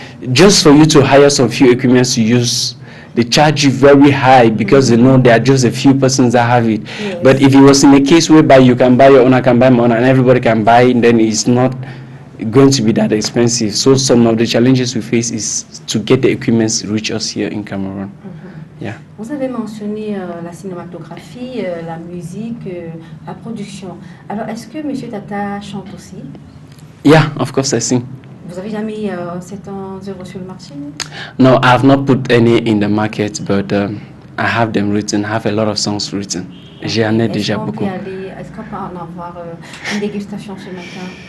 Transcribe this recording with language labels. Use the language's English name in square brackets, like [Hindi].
[English] Just for you to hire some few equipment to use, they charge you very high because they know there are just a few persons that have it. Yes. But if it was in a case whereby you can buy your own, I can buy my own, and everybody can buy, then it's not going to be that expensive. So some of the challenges we face is to get the equipment to reach us here in Cameroon. Yeah. [French] Vous avez mentionné la cinématographie, la musique, la production. Alors, est-ce que M. Tata chante aussi? [English] Yeah, of course I sing. [French] Vous avez jamais cet œuvre sur le marché? [English] No, I have not put any in the market, but I have them written. I have a lot of songs written. [French] J'en ai est-ce déjà beaucoup. Est-ce qu'on peut en avoir une dégustation ce matin?